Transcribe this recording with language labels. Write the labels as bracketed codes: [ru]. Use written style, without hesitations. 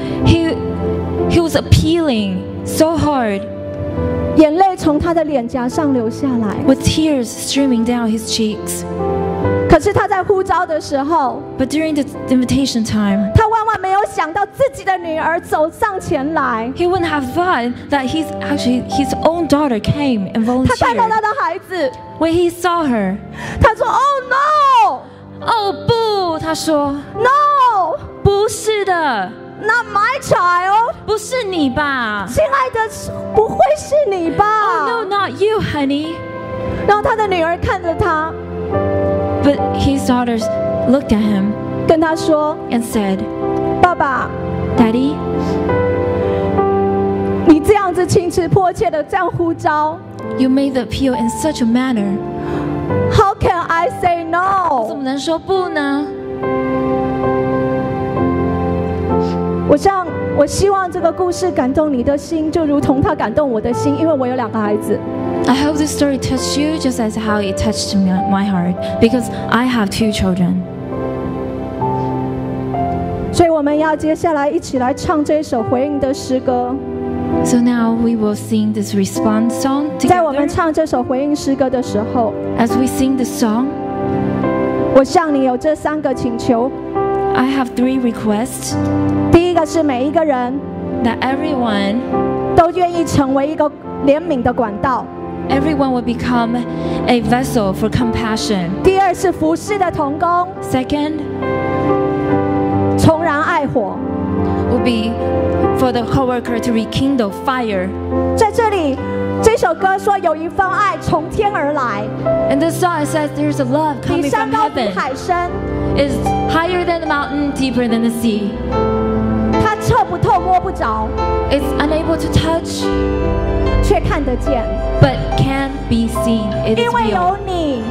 [en] he was appealing so hard. [zh] 眼泪从他的脸颊上流下来 [en] with tears streaming down his cheeks. [zh] 可是他在呼召的时候 [en] but during the invitation time, [zh] 他万万没有想到自己的女儿走上前来 [en] he wouldn't have thought that his own daughter came and volunteered. [zh] 他看到他的孩子 [en] when he saw her, [zh] 他说 [en] oh no, [zh] oh 不他说 [en] no, [zh] 不是的 [en] Not my child. [zh] 不是你吧？亲爱的，不会是你吧 [en] ？Oh no, not you, honey. [zh] 然后他的女儿看着他 [en] ，But his daughters looked at him. [zh] 跟他说 [en] ，and said, [zh] 爸爸 [en] ，Daddy, [zh] 你这样子情辞迫切的这样呼召 [en] ，You made the appeal in such a manner. How can I say no? [zh] 我怎么能说不呢？我希望这个故事感动你的心，就如同他感动我的心，因为我有两个孩子。 [en] I hope this story touched you just as how it touched my heart, because I have two children. [zh] 所以我们要接下来一起来唱这首回应的诗歌。 [en] So now we will sing this response song together. [zh] 在我们唱这首回应诗歌的时候 [en] ，As we sing the song, [zh] 我向你有这三个请求。 [en] I have three requests. [zh] 第一个是每一个人 [en] that everyone [zh] 都愿意成为一个怜悯的管道 [en] everyone will become a vessel for compassion. [zh] 第二是服侍的同工 [en] second [zh] 重燃爱火 [en] will be for the co-worker to rekindle fire. [zh] 在这里这首歌说有一份爱从天而来 [en] and this song says there's a love coming from heaven. [zh] 比山高比海深 [en] is higher than the mountain, deeper than the sea. [zh] 它测不透摸不着 [en] It's unable to touch, [zh] 却看得见 [en] but can be seen. It's [zh] 因为有你